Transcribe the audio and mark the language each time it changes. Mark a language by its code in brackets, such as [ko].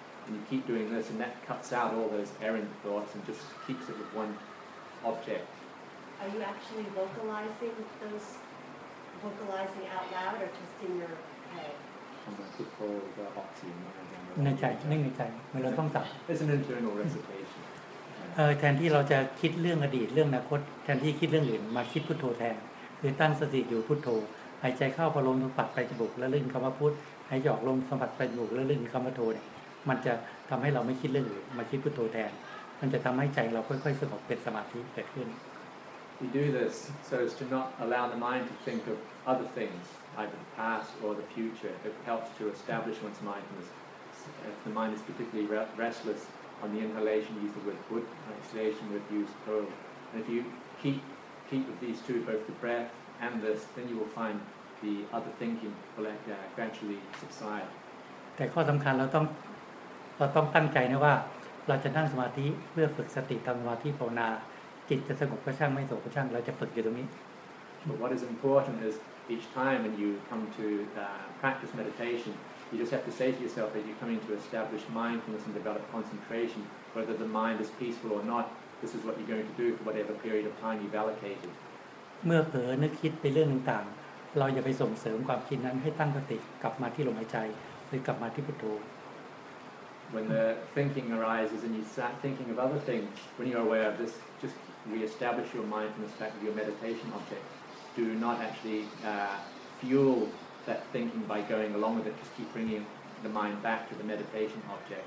[en] And you keep doing this, and that cuts out all those errant thoughts and just keeps it with one object. Are you actually vocalizing out loud or just in your head? It's an internal recitation. [th] แทนที่เราจะคิดเรื่องอดีตเรื่องอนาคตแทนที่คิดเรื่องอื่นมาคิดพุทโธแทนคือตั้งสติอยู่พุทโธหายใจเข้าพอลมสัมผัสไปจมูกแล้วลื่นคำว่าพุทหายใจออกลมสัมผัสไปจมูกแล้วลื่นคำว่าโทเนี่ยมันจะทำให้เราไม่คิดเรื่องอื่นมาคิดพุทโธแทนมันจะทำให้ใจเราค่อยๆสงบเป็นสมาธิเกิดขึ้น [en] we do this so as to not allow the mind to think of other things, either the past or the future. It helps to establish one's mindfulness. If the mind is particularly restless, on the inhalation use the word "bud," exhalation word use "po." And if you keep with these two, both the breath and this, then you will find the other thinking will gradually subside. [th] แต่ข้อสำคัญเราต้องตั้งใจนะว่าเราจะนั่งสมาธิเพื่อฝึกสติทำสมาธิภาวนาจิตจะสงบก็ช่างไม่สงบก็ช่างเราจะฝึกอยู่ตรงนี้ [en] But what is important is each time when you come to practice meditation, you just have to say to yourself that you're coming to establish mindfulness and develop concentration. Whether the mind is peaceful or not, this is what you're going to do for whatever period of time you've allocated. [th] เมื่อเผลอนึกคิดไปเรื่องต่างๆเราอย่าไปส่งเสริมความคิดนั้นให้ตั้งสติกลับมาที่ลมหายใจหรือกลับมาที่พุทโธ [en] When the thinking arises and you start thinking of other things, when you're aware of this, just re-establish your mind from the fact of your meditation object. Do not actually fuel that thinking by going along with it. Just keep bringing the mind back to the meditation object.